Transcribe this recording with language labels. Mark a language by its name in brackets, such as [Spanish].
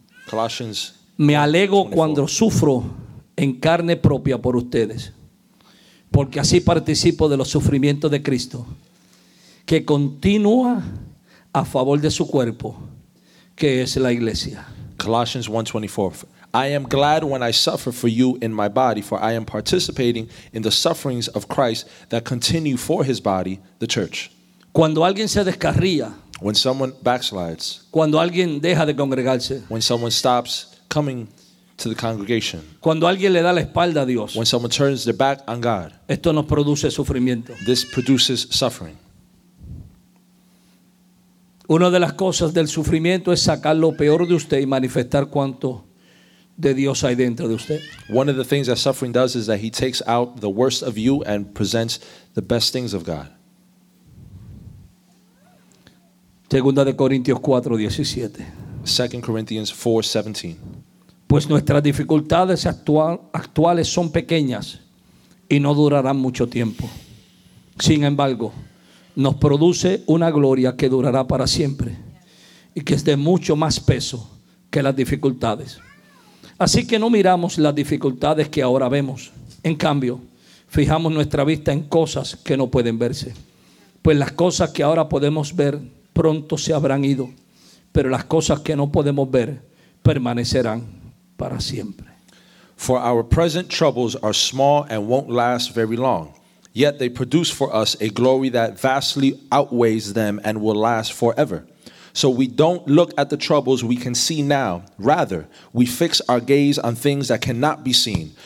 [English] Colossians. [Spanish] Me alegro cuando sufro en carne propia por ustedes, porque así participo de los sufrimientos de Cristo, que continúa a favor de su cuerpo, que es la iglesia. [English] Colossians 1:24. I am glad when I suffer for you in my body, for I am participating in the sufferings of Christ that continue for his body, the church. [Spanish] Cuando alguien se descarría, [English] when someone backslides, [Spanish] cuando alguien deja de congregarse, [English] when someone stops coming to the congregation, [Spanish] cuando alguien le da la espalda a Dios, [English] when someone turns their back on God, [Spanish] esto nos produce sufrimiento. [English] This produces suffering. [Spanish] Una de las cosas del sufrimiento es sacar lo peor de usted y manifestar cuánto de Dios hay dentro de usted. [English] One of the things that suffering does is that he takes out the worst of you and presents the best things of God. [Spanish] Segunda de Corintios 4:17. [English] 2 Corinthians 4:17. [Spanish] Pues nuestras dificultades actuales son pequeñas y no durarán mucho tiempo. Sin embargo, nos produce una gloria que durará para siempre y que es de mucho más peso que las dificultades. Así que no miramos las dificultades que ahora vemos. En cambio, fijamos nuestra vista en cosas que no pueden verse. Pues las cosas que ahora podemos ver pronto se habrán ido, pero las cosas que no podemos ver permanecerán para siempre. [English] For our present troubles are small and won't last very long, yet they produce for us a glory that vastly outweighs them and will last forever. So we don't look at the troubles we can see now. Rather, we fix our gaze on things that cannot be seen.